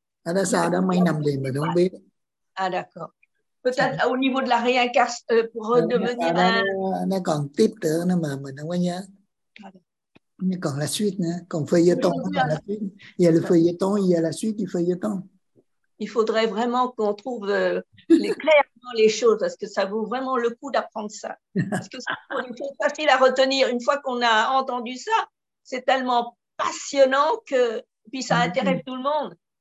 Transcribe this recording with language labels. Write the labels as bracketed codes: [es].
[vi] À đó sao đó mấy năm liền mà không biết. [fr] Ah d'accord. Peut-être au niveau de la réincarnation pour redevenir un. [vi] Nó còn tiếp nữa nó mà mình không có nhớ. Nó còn [fr] la suite [vi] nữa, còn feuilleton. [fr] Il y a le feuilleton, il y a la suite du feuilleton. Il faudrait vraiment qu'on trouve clairement les choses, parce que ça vaut vraiment le coup d'apprendre ça. Parce que c'est trop facile à retenir. Une fois qu'on a entendu ça, c'est tellement passionnant que puis ça intéresse tout le monde.